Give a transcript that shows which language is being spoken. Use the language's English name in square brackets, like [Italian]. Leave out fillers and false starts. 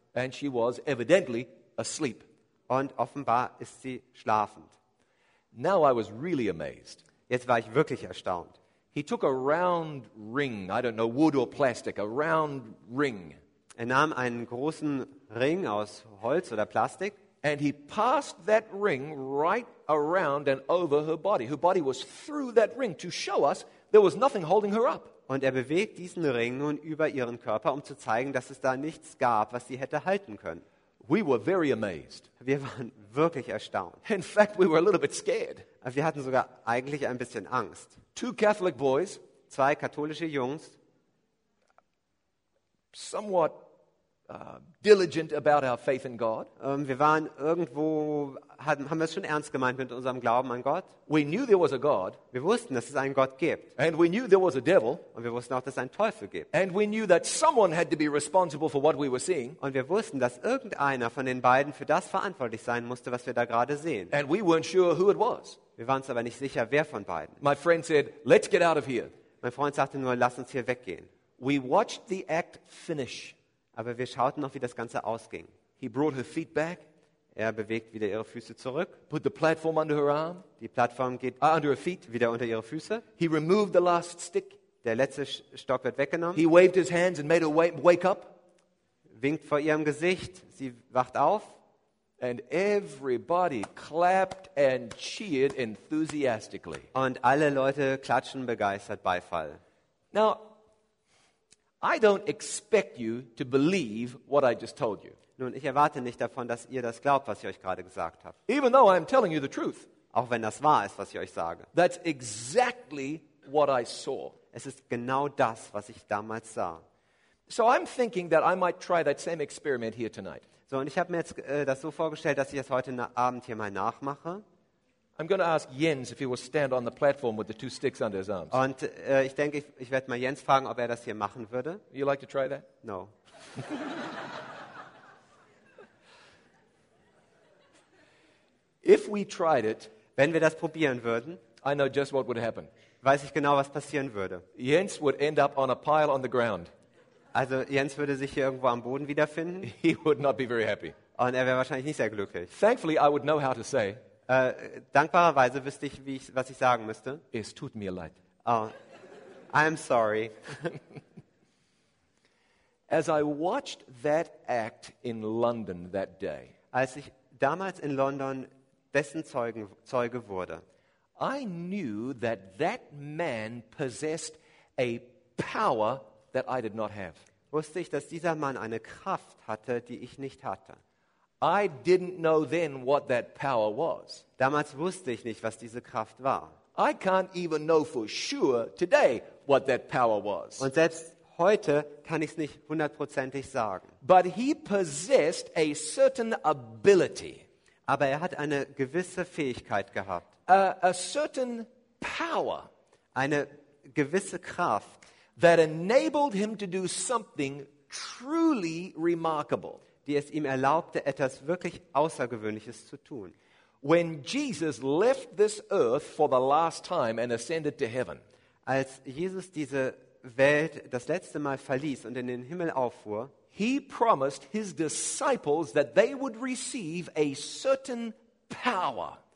[English] And she was evidently asleep. [German] Und offenbar ist sie schlafend. [English] Now I was really amazed. [German] Jetzt war ich wirklich erstaunt. [English] He took a round ring, I don't know, wood or plastic, a round ring. [German] Er nahm einen großen Ring aus Holz oder Plastik. [English] And he passed that ring right around and over her body. Her body was through that ring to show us there was nothing holding her up. [German] Und er bewegt diesen Ring nun über ihren Körper, um zu zeigen, dass es da nichts gab, was sie hätte halten können. [English] We were very amazed. [German] Wir waren wirklich erstaunt. [English] In fact, we were a little bit scared. [German] Wir hatten sogar eigentlich ein bisschen Angst. [English] Two Catholic boys, [German] zwei katholische Jungs, [English] somewhat diligent about our faith in God. [German] Wir waren irgendwo, haben wir es schon ernst gemeint mit unserem Glauben an Gott. [English] We knew there was a God. [German] Wir wussten, dass es einen Gott gibt. [English] And we knew there was a devil. [German] Und wir wussten auch, dass es einen Teufel gibt. [English] And we knew that someone had to be responsible for what we were seeing. [German] Und wir wussten, dass irgendeiner von den beiden für das verantwortlich sein musste, was wir da gerade sehen. [English] And we weren't sure who it was. [German] Wir waren uns aber nicht sicher, wer von beiden. [English] My friend said, "Let's get out of here." [German] Mein Freund sagte nur, lass uns hier weggehen. [English] We watched the act finish. [German] Aber wir schauten noch, wie das Ganze ausging. [English] He brought her feet back. [German] Er bewegt wieder ihre Füße zurück. [English] Put the platform under her arm. [German] Die Plattform geht [English] under her feet. [German] Wieder unter ihre Füße. [English] He removed the last stick. [German] Der letzte Stock wird weggenommen. [English] He waved his hands and made her wake up. [German] Winkt vor ihrem Gesicht. Sie wacht auf. [English] And everybody clapped and cheered enthusiastically. [German] Und alle Leute klatschen begeistert Beifall. [English] Now, I don't expect you to believe what I just told you. [German] Nun, ich erwarte nicht davon, dass ihr das glaubt, was ich euch gerade gesagt habe. [English] Even though I'm telling you the truth. [German] Auch wenn das wahr ist, was ich euch sage. [English] That's exactly what I saw. [German] Es ist genau das, was ich damals sah. [English] So I'm thinking that I might try that same experiment here tonight. [German] So, und ich habe mir jetzt das so vorgestellt, dass ich das heute Abend hier mal nachmache. [English] I'm going to ask Jens if he will stand on the platform with the two sticks under his arms. [German] Und ich denke, ich werde mal Jens fragen, ob er das hier machen würde. [English] You like to try that? No. If we tried it, [German] wenn wir das probieren würden, [English] I know just what would happen. [German] Weiß ich genau, was passieren würde. [English] Jens would end up on a pile on the ground. [German] Also Jens würde sich hier irgendwo am Boden wiederfinden. [English] He would not be very happy. [German] Und er wäre wahrscheinlich nicht sehr glücklich. [English] Thankfully, I would know how to say. [German] Dankbarerweise wüsste ich, wie ich, was ich sagen müsste. Es tut mir leid. [English] Oh, I'm sorry. As I watched that act in London that day, [German] als ich damals in London dessen Zeuge wurde, [English] I knew that that man possessed a power that I did not have. [German] Wusste ich, dass dieser Mann eine Kraft hatte, die ich nicht hatte. [English] I didn't know then what that power was. [German] Damals wusste ich nicht, was diese Kraft war. [English] I can't even know for sure today what that power was. [German] Und selbst heute kann ich es nicht hundertprozentig sagen. [English] But he possessed a certain ability. [German] Aber er hat eine gewisse Fähigkeit gehabt. [English] A certain power. [German] Eine gewisse Kraft. [English] That enabled him to do something truly remarkable. [German] Die es ihm erlaubte, etwas wirklich Außergewöhnliches zu tun. [English] When Jesus left this earth for the last time and ascended to heaven. [German] Als Jesus diese Welt das letzte Mal verließ und in den Himmel auffuhr, [English] he promised his disciples that they would receive a certain power.